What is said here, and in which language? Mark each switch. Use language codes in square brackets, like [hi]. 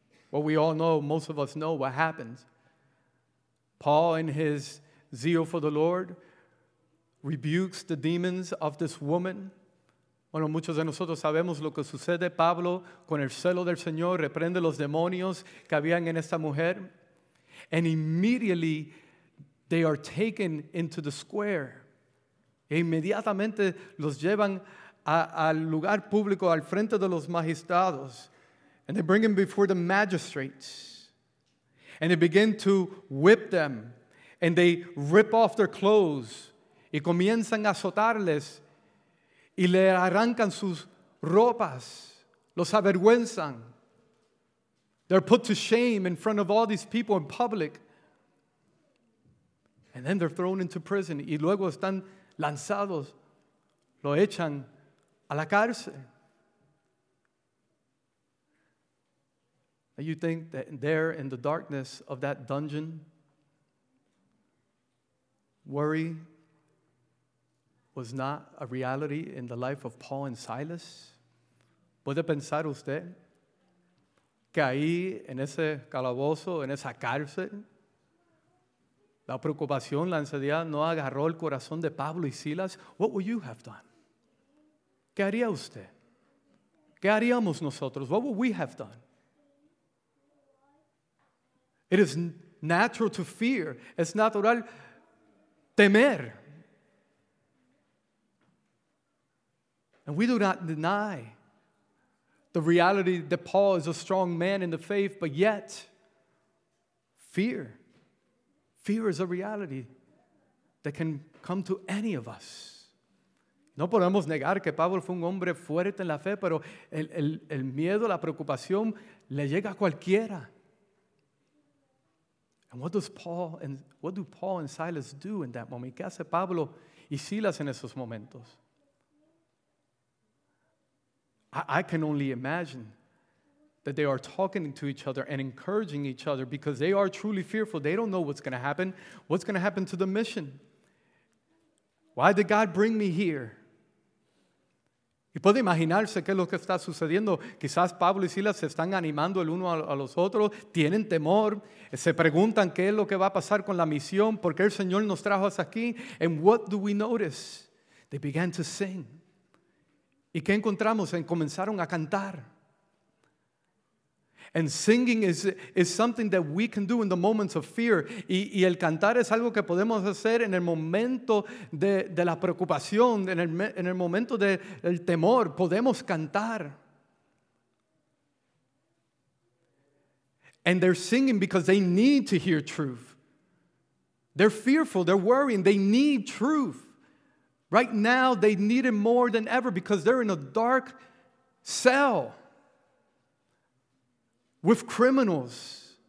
[en] Well, we all know, most of us know what happened. Paul, in his zeal for the Lord, rebukes the demons of this woman. [es] Bueno, muchos de nosotros sabemos lo que sucede. Pablo, con el celo del Señor, reprende los demonios que habían en esta mujer. [en] And immediately, they are taken into the square. [es] E inmediatamente los llevan al lugar público, al frente de los magistrados. [en] And they bring him before the magistrates. And they begin to whip them. And they rip off their clothes. [es] Y comienzan a azotarles. Y le arrancan sus ropas. Los avergüenzan. [en] They're put to shame in front of all these people in public. And then they're thrown into prison. [es] Y luego están lanzados. Lo echan a la cárcel. [en] And you think that there in the darkness of that dungeon, worry was not a reality in the life of Paul and Silas? [es] ¿Puede pensar usted que ahí en ese calabozo, en esa cárcel, la preocupación, la ansiedad no agarró el corazón de Pablo y Silas? [en] What would you have done? [es] ¿Qué haría usted? ¿Qué haríamos nosotros? [en] What would we have done? It is natural to fear. [es] Es natural temer. [en] And we do not deny the reality that Paul is a strong man in the faith, but yet, fear. Fear is a reality that can come to any of us. [es] No podemos negar que Pablo fue un hombre fuerte en la fe, pero el miedo, la preocupación, le llega a cualquiera. [en] And what does Paul and what do Paul and Silas do in that moment? [es] ¿Qué hace Pablo y Silas en esos momentos? [en] I can only imagine that they are talking to each other and encouraging each other because they are truly fearful. They don't know what's going to happen. What's going to happen to the mission? Why did God bring me here? [es] Y puede imaginarse qué es lo que está sucediendo. Quizás Pablo y Silas se están animando el uno a los otros. Tienen temor. Se preguntan qué es lo que va a pasar con la misión. ¿Por qué el Señor nos trajo hasta aquí? [en] And what do we notice? They began to sing. [es] ¿Y qué encontramos? And comenzaron a cantar. [en] And singing is something that we can do in the moments of fear. [es] Y el cantar es algo que podemos hacer en el momento de la preocupación, en el momento del temor. Podemos cantar. [en] And they're singing because they need to hear truth. They're fearful, they're worrying, they need truth. Right now, they need it more than ever because they're in a dark cell with criminals.